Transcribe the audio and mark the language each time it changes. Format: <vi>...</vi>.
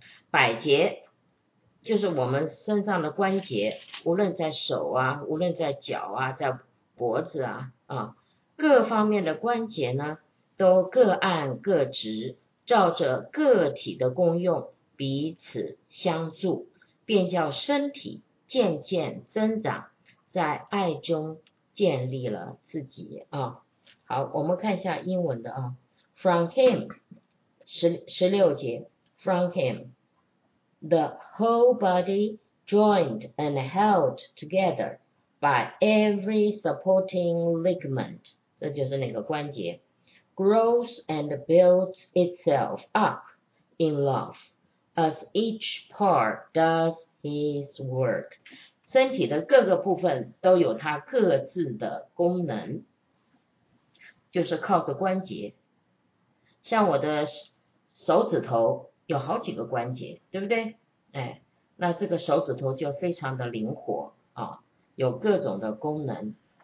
<zh>百节就是我们身上的关节，无论在手啊，无论在脚啊，在脖子啊，各方面的关节呢，都各按各职，照着个体的功用彼此相助，便叫身体渐渐增长，在爱中建立了自己啊。好，我们看一下英文的啊。</zh> <en>From him, 16节 from him, the whole body joined and held together by every supporting ligament,</en> <zh>这就是那个关节</zh> <en>grows and builds itself up in love, as each part does his work.</en> <zh>身体的各个部分都有它各自的功能，就是靠着关节。像我的手指头有好几个关节，对不对？哎，那这个手指头就非常的灵活啊，有各种的功能。</zh>